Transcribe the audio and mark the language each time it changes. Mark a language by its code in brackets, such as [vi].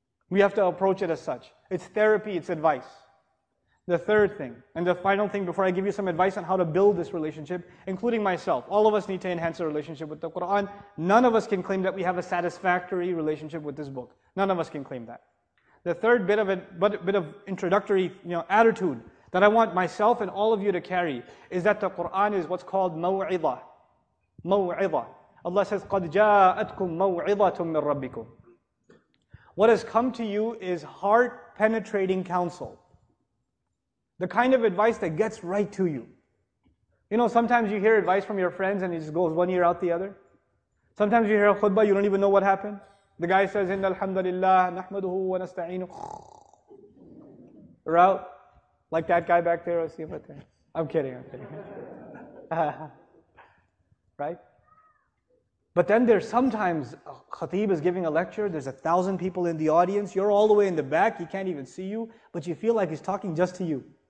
[en] We have to approach it as such. It's therapy, it's advice. The third thing, and the final thing before I give you some advice on how to build this relationship, including myself, all of us need to enhance a relationship with the Quran. None of us can claim that we have a satisfactory relationship with this book. None of us can claim that. The third bit of introductory, you know, attitude that I want myself and all of you to carry is that the Quran is what's called maw'idah. Maw'idah. Allah says, [ar] قَدْ جَاءَتْكُمْ مَوْعِظَةٌ مِّن رَبِّكُمْ. [en] What has come to you is heart-penetrating counsel. The kind of advice that gets right to you. You know, sometimes you hear advice from your friends and it just goes one ear out the other. Sometimes you hear a khutbah, you don't even know what happened. The guy says, [ar] إِنَّ الْحَمْدَ لِلَّهِ نَحْمَدُهُ وَنَسْتَعِينُ. [en] We're out. Like that guy back there. I'm kidding. Right? But then there's sometimes a khatib is giving a lecture, there's 1,000 people in the audience, you're all the way in the back, he can't even see you, but you feel like he's talking just to you.